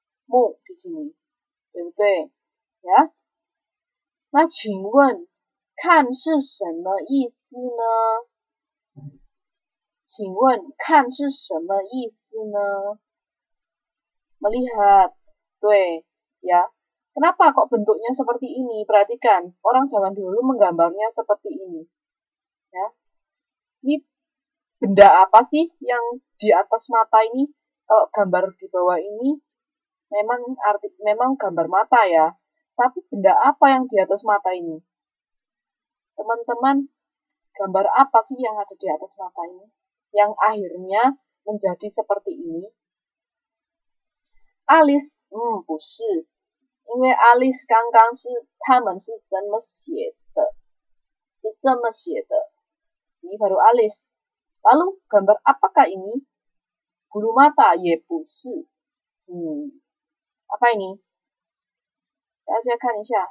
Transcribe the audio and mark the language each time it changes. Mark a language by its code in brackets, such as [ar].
[zh] 目的是你，对不对呀、yeah? 那请问看是什么意思呢，请问看是什么意思呢，没理解，对呀、yeah? [id] kenapa kok bentuknya seperti ini, perhatikan orang zaman dulu menggambarnya seperti ini ya、yeah? ini benda apa sih yang di atas mata ini, kalau gambar di bawah iniMemang, arti, memang gambar mata ya, tapi benda apa yang di atas mata ini? Teman-teman, gambar apa sih yang ada di atas mata ini? Yang akhirnya menjadi seperti ini? Alis, bukan. [zh] 因为 Alice 刚刚是他们是这么写的，是这么写的。 [id] Ini baru Alice. Lalu, gambar apakah ini? Bulu mata, ya bukan. Apa ini? Kita lihat kan ini.